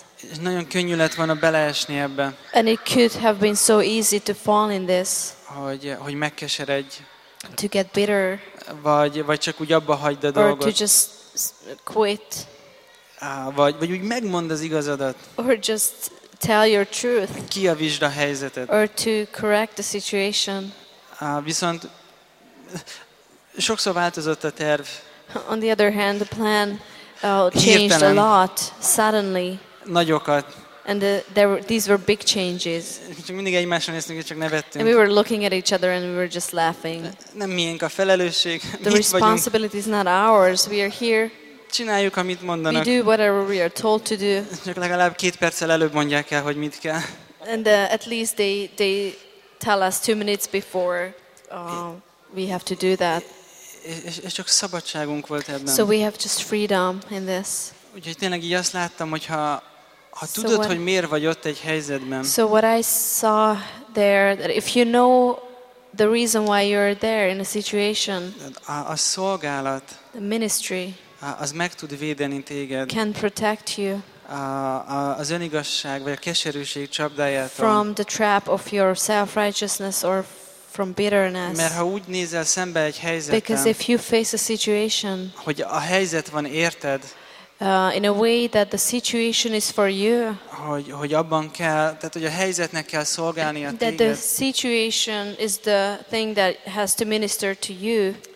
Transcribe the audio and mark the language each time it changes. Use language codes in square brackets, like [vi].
[hu] És nagyon könnyű lett volna beleesni ebbe. [en] And it could have been so easy to fall in this. [hu] Hogy megkeseredj. [en] To get bitter. [hu] Vagy csak úgy abba hagyd a dolgot. [en] Or to just quit. [hu] Vagy úgy megmondd az igazadat. [en] Or just tell your truth. [hu] Kijavítsd a helyzetet. [en] Or to correct the situation. [hu] Viszont sokszor változott a terv. [en] On the other hand, the plan changed a lot suddenly. [hu] Nagyokat. [en] And these were big changes. [hu] Csak mindig egymásra néztünk, csak nevettünk. [en] And we were looking at each other and we were just laughing. [hu] Nem miénk a felelősség. [en] The responsibility is not ours. We are here. [hu] Csináljuk, amit mondanak. [en] We do whatever we are told to do. [hu] Csak legalább két perccel előbb mondják el, hogy mit kell. [en] And at least they tell us 2 minutes before we have to do that. [hu] És csak szabadságunk volt ebben. [en] So we have just freedom in this. [hu] Úgyhogy tényleg így azt láttam, hogy ha tudod, hogy miért vagy ott egy helyzetben. [en] So what I saw there, that if you know the reason why you're there in a situation, [hu] a szolgálat, [en] the ministry, [hu] az meg tud védeni téged. [en] Can protect you. [hu] Az önigazság vagy a keserűség csapdájától. [en] From the trap of your self-righteousness or from bitterness. [hu] Mert ha úgy nézel szembe egy helyzetet. [en] Because if you face a situation. [hu] Hogy a helyzet van érted. [en] In a way that the situation is for you. [hu] Hogy abban kell, tehát hogy a helyzetnek kell szolgálni a téged. [en] That the situation is the thing that has to minister to you.